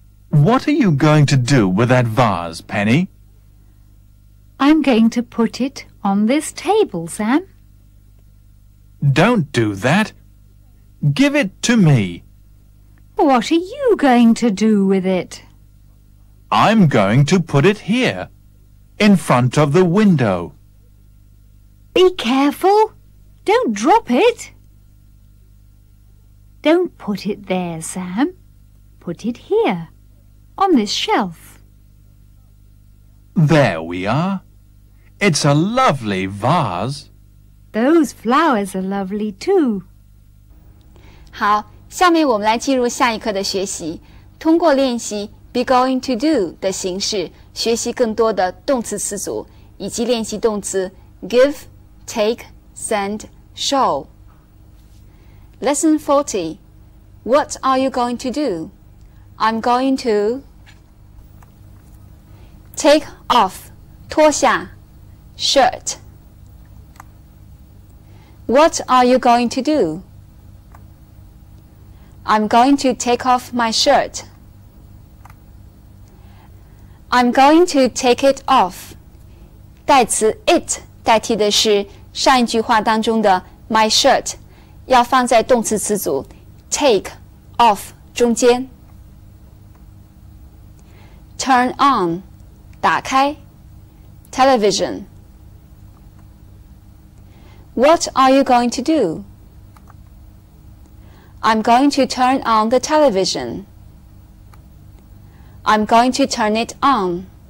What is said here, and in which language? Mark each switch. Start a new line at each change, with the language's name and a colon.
English: What are you going to do with that vase, Penny? I'm going to put it on this table, Sam. Don't do that. Give it to me. What are you going to do with it? I'm going to put it here, in front of the window. Be careful. Don't drop it. Don't put it there, Sam. Put it here. On this shelf. There we are. It's a lovely vase. Those flowers are lovely too.
Chinese: 好，下面我们来进入下一课的学习，通过练习
English: be going to do
Chinese: 的形式学习更多的动词词组，以及练习动词
English: give, take, send, show. Lesson 40. What are you going to do? I'm going to... Take off, 脱下 shirt. What are you going to do? I'm going to take off my shirt. I'm going to take it off.
Chinese: 代词 it 代替的是上一句话当中的 my shirt, 要放在动词词组 take off 中间。
English: Turn on. 打开 television. What are you going to do? I'm going to turn on the television. I'm going to turn it on.